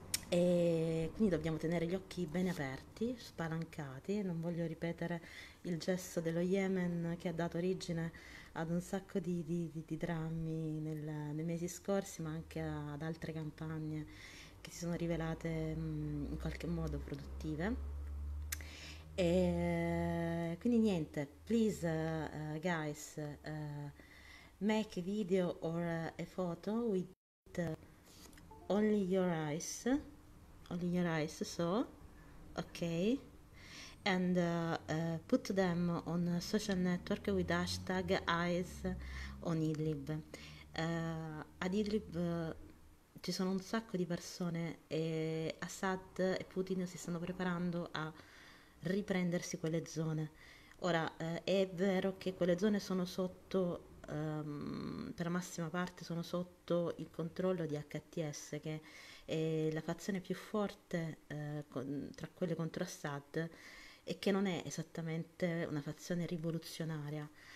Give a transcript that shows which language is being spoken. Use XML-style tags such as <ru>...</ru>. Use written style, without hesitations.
<it>E quindi dobbiamo tenere gli occhi ben aperti, spalancati. Non voglio ripetere il gesto dello Yemen che ha dato origine ad un sacco di drammi nei mesi scorsi, ma anche ad altre campagne che si sono rivelate in qualche modo produttive. E quindi niente,</it> <en>please guys, make a video or a photo with only your eyes, so, ok? And put them on social network with hashtag Eyes on Idlib.</en> <it>Ad Idlib ci sono un sacco di persone e Assad e Putin si stanno preparando a riprendersi quelle zone. Ora, è vero che quelle zone sono sotto, per massima parte sono sotto il controllo di HTS, che è la fazione più forte tra quelle contro Assad, e che non è esattamente una fazione rivoluzionaria,</it>